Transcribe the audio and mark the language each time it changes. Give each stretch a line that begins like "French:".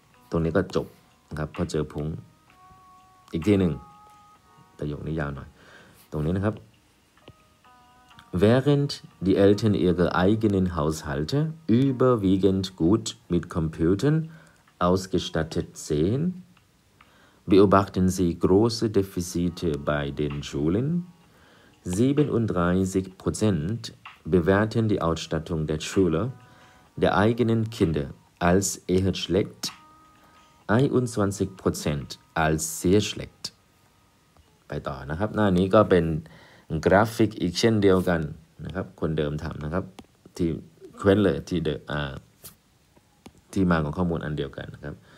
Thai: ตรงนี้ก็จบนะครับพอเจอพุงอีกทีหนึ่งประโยคนี้ยาวหน่อยตรงนี้นะครับ
German: Während die Eltern ihre eigenen Haushalte überwiegend gut mit Computern ausgestattet sehen, beobachten sie große Defizite bei den Schulen. 37% bewerten die Ausstattung der Schule. Der eigenen Kinder als eher schlecht, 21% als sehr schlecht.
Thai: ไปต่อนะครับหน้านี้ก็เป็นกราฟิกอีกเช่นเดียวกันนะครับคนเดิมถามนะครับที่เควนเลยที่เดที่มาของข้อมูลอันเดียวกันนะครับ